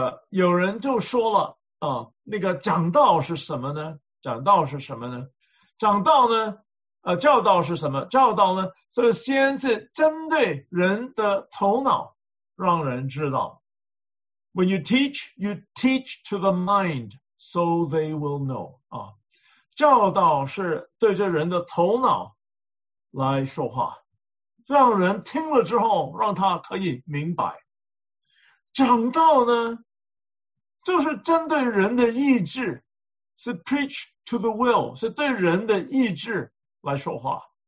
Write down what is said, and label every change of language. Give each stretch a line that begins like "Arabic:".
Chinese: 有人就说了啊，那个讲道是什么呢？讲道是什么呢？讲道呢？教导是什么？教导呢？所以先是针对人的头脑，让人知道。
English: When you teach, you teach to the mind, so they will know.
Chinese: 啊，教导是对着人的头脑来说话，让人听了之后，让他可以明白。讲道呢，就是针对人的意志，是
English: preach to the will，
Chinese: 是对人的意志来说话。